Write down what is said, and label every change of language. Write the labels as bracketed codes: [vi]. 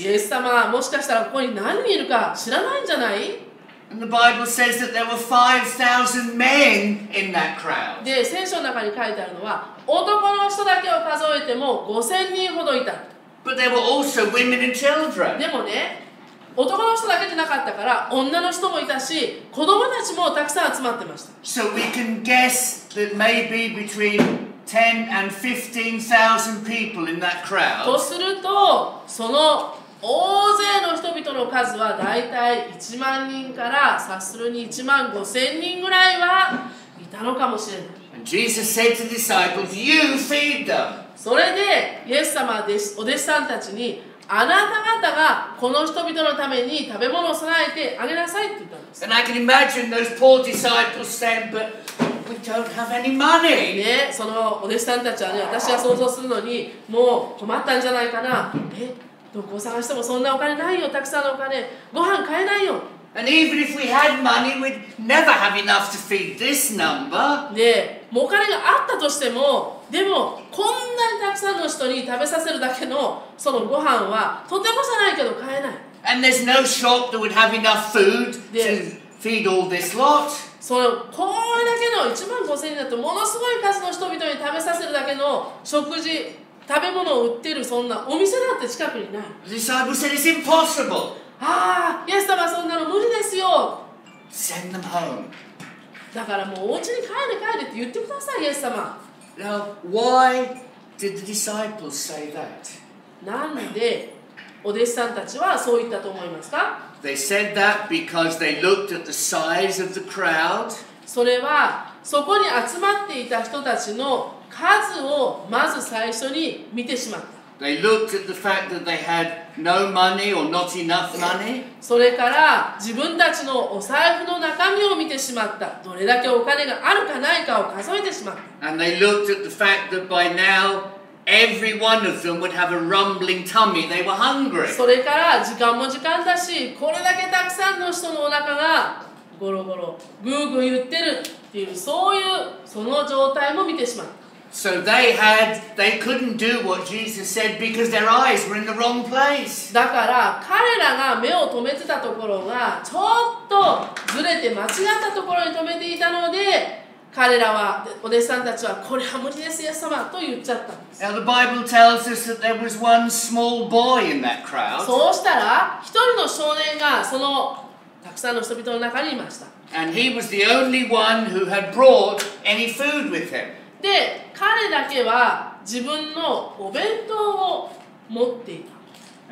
[ja] イエス様はもしかしたらここに何人いるか知らないんじゃない？ [en] And the Bible says that there were 5,000 men in that crowd. [ja] で、聖書の中に書いてあるのは、男の人だけを数えても5,000人ほどいた。 [en] But there were also women and children. [ja] でもね、男の人だけじゃなかったから、女の人もいたし、子供たちもたくさん集まってました。 [en] So we can guess that maybe between 10 and 15,000 people in that crowd. [ja] とすると、その大勢の人々の数はだいたい1万人から察するに1万5千人ぐらいはいたのかもしれない。 [en] And Jesus said to the disciples, you feed them. [ja] それで、イエス様はお弟子さんたちに、あなた方がこの人々のために食べ物を備えてあげなさいって言ったんです。 [en] And I can imagine those poor disciples saying, but we don't have any money. [ja] ね、そのお弟子さんたちはね、私が想像するのにもう困ったんじゃないかな。どこを探してもそんなお金ないよ、たくさんのお金。ご飯買えないよ。 [en] And even if we had money, we'd never have enough to feed this number. [ja] で、もうお金があったとしても、でも、こんなにたくさんの人に食べさせるだけのそのご飯は、とてもじゃないけど買えない。 [en] And there's no shop that would have enough food to feed all this lot. [ja] その、これだけの1万5千人だと、ものすごい数の人々に食べさせるだけの食事、食べ物を売ってるそんなお店だって近くにない。 [en] The disciples said it's impossible. [ja] ああ、イエス様そんなの無理ですよ。 [en] Send them home. [ja] だからもうお家に帰れ帰れって言ってください、イエス様。 [en] Now, why did the disciples say that? [ja] なんでお弟子さんたちはそう言ったと思いますか？ [en] They said that because they looked at the size of the crowd. [ja] それはそこに集まっていた人たちの数をまず最初に見てしまった。 [en] They looked at the fact that they had no money or not enough money. [ja] それから自分たちのお財布の中身を見てしまった。どれだけお金があるかないかを数えてしまった。 [en] And they looked at the fact that by now every one of them would have a rumbling tummy. They were hungry. [ja] それから時間も時間だし、これだけたくさんの人のお腹がゴロゴログーグー言ってるっていう、そういうその状態も見てしまった。 [en] So they couldn't do what Jesus said because their eyes were in the wrong place. [ja] だから彼らが目を止めてたところがちょっとずれて間違ったところに止めていたので、彼らはお弟子さんたちはこれは無理です、イエス様と言っちゃったんです。 [en] Now the Bible tells us that there was one small boy in that crowd. [ja] そうしたら一人の少年がそのたくさんの人々の中にいました。 [en] And he was the only one who had brought any food with him. [ja] で、彼だけは自分のお弁当を持っていた。